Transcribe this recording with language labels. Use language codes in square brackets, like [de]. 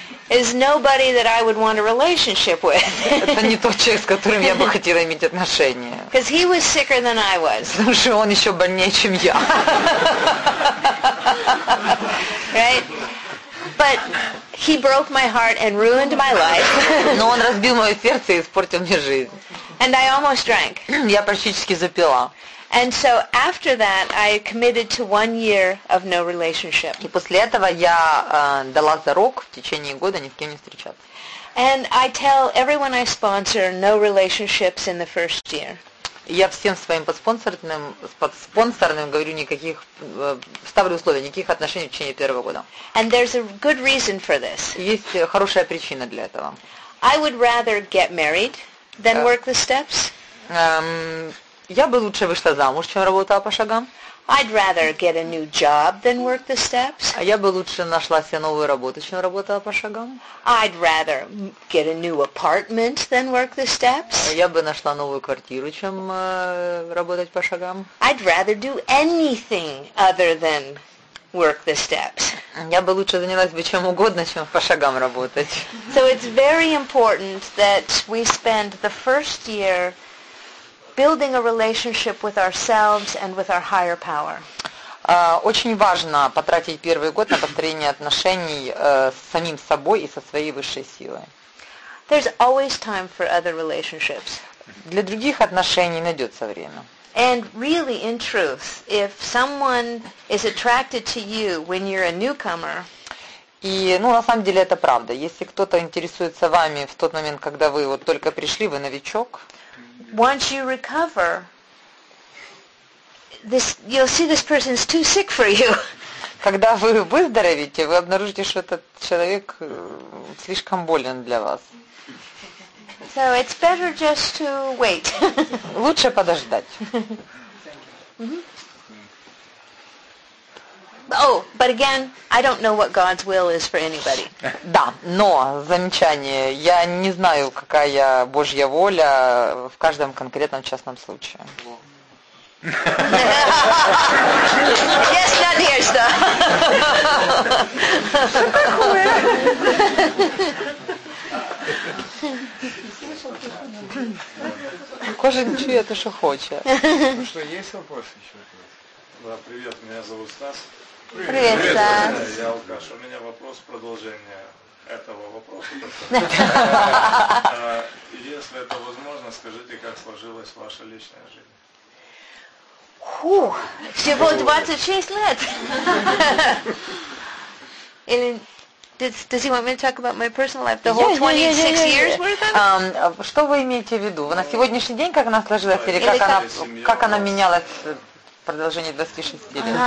[en] is nobody that I would want a relationship with. [ru] Это не тот человек, с которым я бы хотела иметь отношения. [en] Because he was sicker than I was. [ru] Потому что он еще больнее, чем я. [en] Right? But he broke my heart and ruined my life. [ru] Но он разбил мое сердце и испортил мне жизнь. [en] And I almost drank. [ru] Я практически запила. [en] And so after that, I committed to 1 year of no relationship. [ru] И после этого я дала зарок в течение года ни с кем не встречаться. [en] And I tell everyone I sponsor no relationships in the first year. [ru] Я всем своим подспонсорным говорю никаких, ставлю условия, никаких отношений в течение первого года. [en] And there's a good reason for this. [ru] Есть хорошая причина для этого. [en] I would rather get married than work the steps. [ru] Я бы лучше вышла замуж, чем работала по шагам. [en] I'd rather get a new job than work the steps. [ru] А я бы лучше нашла себе новую работу, чем работала по шагам. [en] I'd rather get a new apartment than work the steps. [ru] А я бы нашла новую квартиру, чем работать по шагам. [en] I'd rather do anything other than work the steps. [ru] Я бы лучше занялась бы чем угодно, чем по шагам работать. [en] So it's very important that we spend the first year building a relationship with ourselves and with our higher power. [ru] Очень важно потратить первый год на построение отношений с самим собой и со своей высшей силой. [en] There's always time for other relationships. [ru] Для других отношений найдется время. [en] And really, in truth, if someone is attracted to you when you're a newcomer, [ru] и, ну, на самом деле это правда. Если кто-то интересуется вами в тот момент, когда вы вот только пришли, вы новичок. [en] Once you recover, you'll see this person is too sick for you. [ru] Когда вы выздоровеете, вы обнаружите, что этот человек слишком болен для вас. [en] So it's better just to wait. [ru] Лучше подождать. Mm-hmm. [en] Oh, but again, I don't know what God's will is for anybody. [ru] Да, но замечание. Я не знаю, какая Божья воля в каждом конкретном частном случае. [en] Yes, not here, so. [uk] Кожен чує те, що хоче. Ну що, є вопрос ще? Да, привіт, мене звати Стас. Привіт, Стас. Я алкаш. У мене вопрос продовження цього вопросу. Якщо це можливо, скажіть, як сложилась ваша лична життя? [ru] Фух, всього 26 лет. Елін... [en] Does he want me to talk about my personal life? The whole 26 years worth of? [ru] Что вы имеете в виду? На сегодняшний день, как она сложилась, или как она менялась в продолжении 26 лет?